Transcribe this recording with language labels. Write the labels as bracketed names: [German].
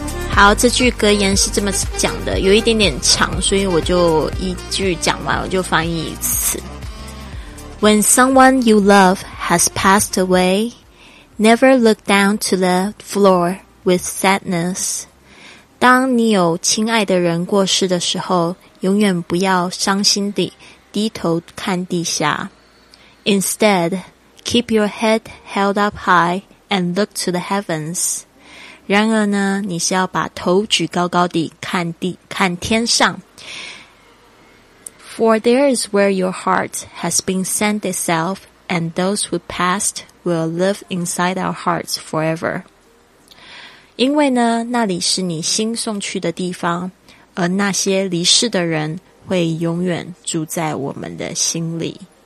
[Chinese] 好，这句格言是这么讲的，有一点点长，所以我就一句讲完，我就翻译一次。 [English] When someone you love has passed away, never look down to the floor with sadness. [Chinese] 当你有亲爱的人过世的时候，永远不要伤心地低头看地下。 [English] Instead, keep your head held up high and look to the heavens. [Chinese] 然而呢，你是要把头举高高地看天上。 [English] For there is where your heart has been sent itself, and those who passed will live inside our hearts forever. [Chinese] 因为呢，那里是你心送去的地方，而那些离世的人会永远住在我们的心里。